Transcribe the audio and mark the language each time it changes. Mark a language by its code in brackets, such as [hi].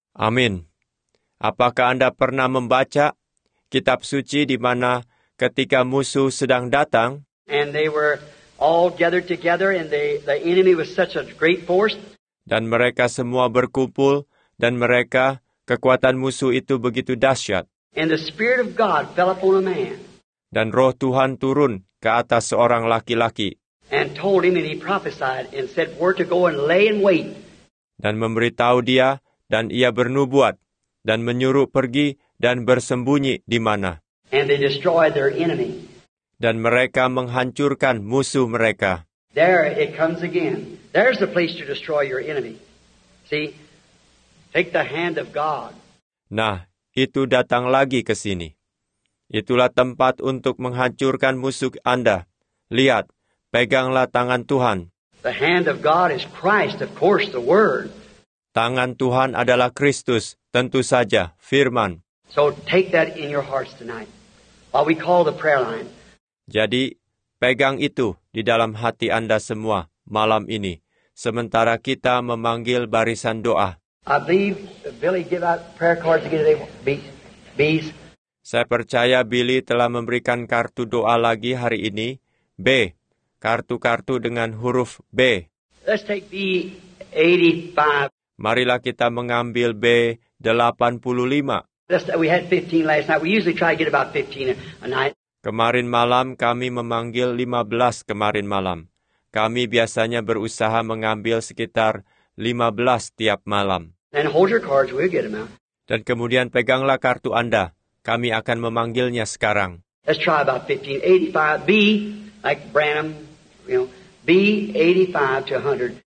[id] Amin. Apakah Anda pernah membaca kitab suci di mana ketika musuh sedang datang? [en] And they were all gathered together, and the enemy was such a great force. [id] Dan mereka semua berkumpul, dan mereka, kekuatan musuh itu begitu dahsyat. [en] And the Spirit of God fell upon a man. [id] Dan roh Tuhan turun ke atas seorang laki-laki. [en] And told him, and he prophesied, and said, we're to go and lay in wait. [id] Dan memberitahu dia, dan ia bernubuat, dan menyuruh pergi, dan bersembunyi di mana. [en] And they destroyed their enemy. [id] Dan mereka menghancurkan musuh mereka. [en] There it comes again. There's the place to destroy your enemy. See? Take the hand of God. [id] Nah, itu datang lagi ke sini. Itulah tempat untuk menghancurkan musuh Anda. Lihat, peganglah tangan Tuhan. [en] The hand of God is Christ, of course, the Word. [id] Tangan Tuhan adalah Kristus, tentu saja, firman. [en] So take that in your hearts tonight. While we call the prayer line. [id] Jadi, pegang itu di dalam hati Anda semua malam ini, sementara kita memanggil barisan doa. [en] I believe Billy gave out prayer cards again today. B's. [id] Saya percaya Billy telah memberikan kartu doa lagi hari ini. B. Kartu-kartu dengan huruf B. [en] Let's take B85. [id] Marilah kita mengambil B85. [en] We had 15 last night. We usually try to get about 15 a night. [id] Kemarin malam kami memanggil 15 kemarin malam. Kami biasanya berusaha mengambil sekitar 15 tiap malam. [en] And hold your cards, we'll get them out. [id] Dan kemudian peganglah kartu Anda. Kami akan memanggilnya sekarang. [en] Let's try about 1585. B, like Branham, you know, B 85 to 100.